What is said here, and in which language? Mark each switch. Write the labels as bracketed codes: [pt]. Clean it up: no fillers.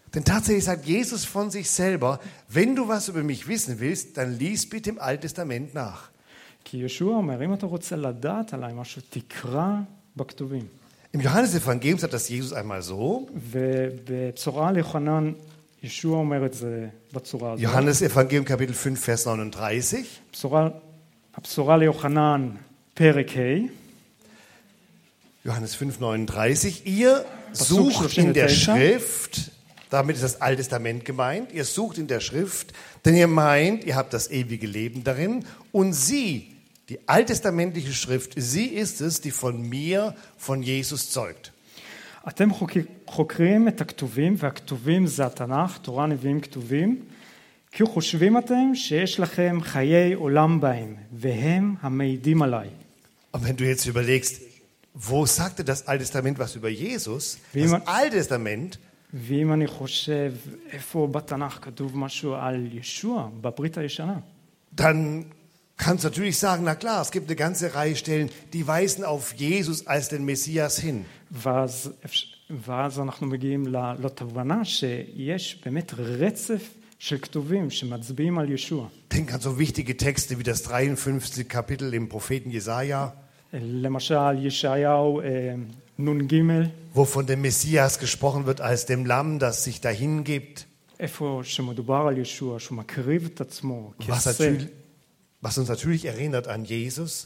[de] Denn tatsächlich sagt Jesus von sich selber, wenn du was über mich wissen willst, dann lies bitte im Alten Testament nach. [he] כי ישוע אומר, אם אתה רוצה לדעת עליי משהו, תקרא בכתובים. [de] Im Johannesevangelium sagt das Jesus einmal so. [he] ובצורה ליוחנן, ישוע אומר את זה בצורה הזאת. [de] Johannesevangelium Kapitel 5, Vers 39. [he] הבשורה ליוחנן, פרק ה. [de] Johannes 5, 39. Ihr sucht in der Schrift... Damit ist das Alte Testament gemeint. Ihr sucht in der Schrift, denn ihr meint, ihr habt das ewige Leben darin. Und sie, die alttestamentliche Schrift, sie ist es, die von mir, von Jesus zeugt. [he] אתם חוקרים את הכתובים, והכתובים זה התנ"ך, תורה, נביאים, כתובים, כי חושבים אתם שיש לכם חיי עולם בהם, והם המעידים עליי. [de] Und wenn du jetzt überlegst, wo sagte das Alte Testament was über Jesus? Das Alte Testament... [he] ואם אני חושב איפה בתנ"ך כתוב משהו על ישוע בברית הישנה? [de] Dann kannst du natürlich sagen, na klar, es gibt eine ganze Reihe Stellen, die weisen auf Jesus als den Messias hin. [he] ואז אנחנו מגיעים לתובנה שיש באמת רצף של כתובים שמצביעים על ישוע. [de] Denk an so wichtige Texte wie das 53. Kapitel im Propheten Jesaja. [he] למשל ישעיהו נון גימל. [de] Wo von dem Messias gesprochen wird als dem Lamm, das sich dahin gibt. Was uns natürlich erinnert an Jesus.